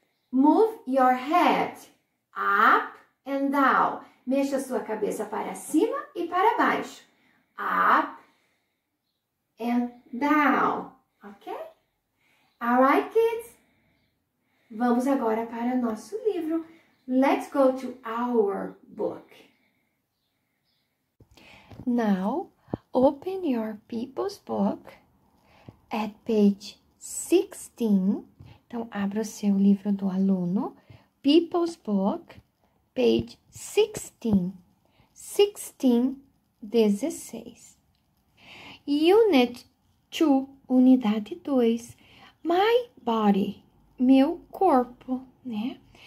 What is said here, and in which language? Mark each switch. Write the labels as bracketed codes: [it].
[en] Move your head up and down. [pt] Mexa sua cabeça para cima e para baixo. [en] Up and down. Ok? Alright, kids? [pt] Vamos agora para o nosso livro. [en] Let's go to our book. Now, open your people's book at page 16. [pt] Então, abra o seu livro do aluno. [en] People's book, page 16. [pt] 16, 16. [en] Unit 2, [pt] unidade 2. [en] My body, [pt] meu corpo, né?